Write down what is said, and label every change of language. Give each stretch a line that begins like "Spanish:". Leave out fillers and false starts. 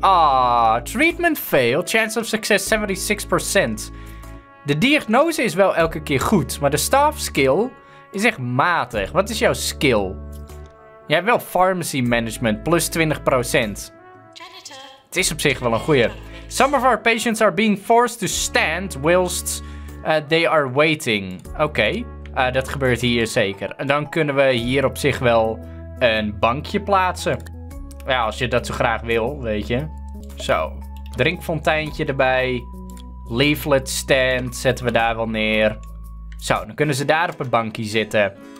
English: Ah, treatment fail. Chance of success 76%.
Dutch: De diagnose is wel elke keer goed, maar de staff skill is echt matig. Wat is jouw skill? Jij hebt wel pharmacy management. Plus 20%. Het is op zich wel een goeie.
English: Some of our patients are being forced to stand whilst they are waiting.
Dutch: Oké, dat gebeurt hier zeker. En dan kunnen we hier op zich wel een bankje plaatsen. Ja, als je dat zo graag wil, weet je. Zo, drinkfonteintje erbij. Leaflet stand zetten we daar wel neer. Zo, dan kunnen ze daar op het bankje zitten.